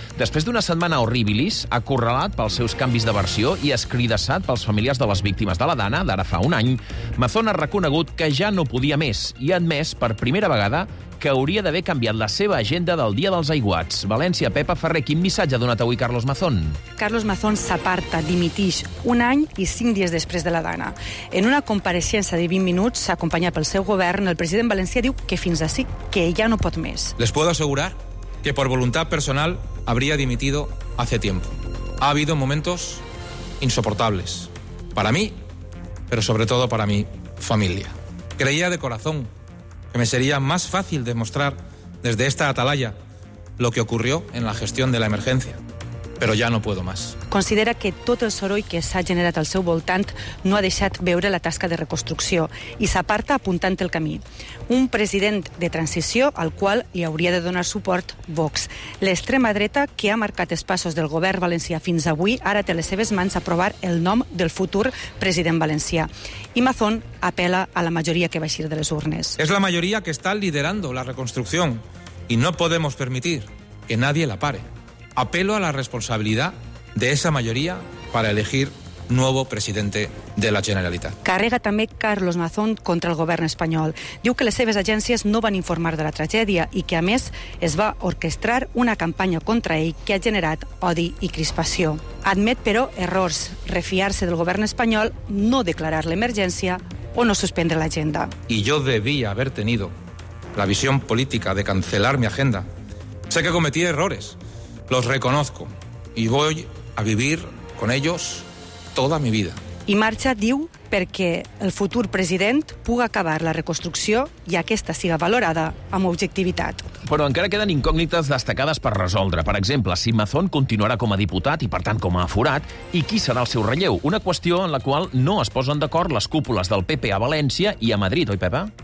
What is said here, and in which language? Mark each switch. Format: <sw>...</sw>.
<ca>Després d'una setmana horribilis, acorralat pels seus canvis de versió i escridassat pels familiars de les víctimes de la Dana d'ara fa un any, Mazón ha reconegut que ja no podia més i ha admès per primera vegada que hauria d'haver canviat la seva agenda del Dia dels Aiguats. València, Pepa Ferrer, quin missatge ha donat avui Carlos Mazón? Carlos Mazón s'aparta, dimitix un any i 5 dies després de la Dana. En una compareixença de 20 minuts, acompanyat pel seu govern, el president valencià diu que fins ací, que ja no pot més.</ca> <es>Les puedo asegurar que por voluntad personal habría dimitido hace tiempo. Ha habido momentos insoportables para mí, pero sobre todo para mi familia. Creía de corazón que me sería más fácil demostrar desde esta atalaya lo que ocurrió en la gestión de la emergencia, pero ya no puedo más.</es> <ca>Considera que tot el soroll que s'ha generat al seu voltant no ha deixat veure la tasca de reconstrucció i s'aparta apuntant el camí. Un president de transició al qual li hauria de donar suport Vox. L'extrema dreta, que ha marcat els passos del govern valencià fins avui, ara té les seves mans a aprovar el nom del futur president valencià. I Mazón apela a la majoria que va eixir de les urnes. És la majoria que està</ca> <es>liderando</es> <ca>la reconstrucció i</ca> <es>no podemos permitir que nadie la pare. Apelo a la responsabilidad de esa mayoría para elegir nuevo presidente de la Generalitat.</es> <ca>Carrega també Carlos Mazón contra el govern espanyol. Diu que les seves agències no van informar de la tragèdia i que, a més, es va orquestrar una campanya contra ell que ha generat odi i crispació. Admet, però, errors, refiar-se del govern espanyol, no declarar l'emergència o no suspendre l'agenda.</ca> <es>Y yo debía haber tenido la visión política de cancelar mi agenda. Sé que cometí errores, los reconozco. Y voy a vivir con ellos toda mi vida.</es> <ca>I marxa, diu, perquè el futur president pugui acabar la reconstrucció i aquesta siga valorada amb objectivitat. Però encara queden incògnites destacades per resoldre. Per exemple, si Mazón continuarà com a diputat i, per tant, com a aforat, i qui serà el seu relleu? Una qüestió en la qual no es posen d'acord les cúpules del PP a València i a Madrid, oi, Pepa?</ca>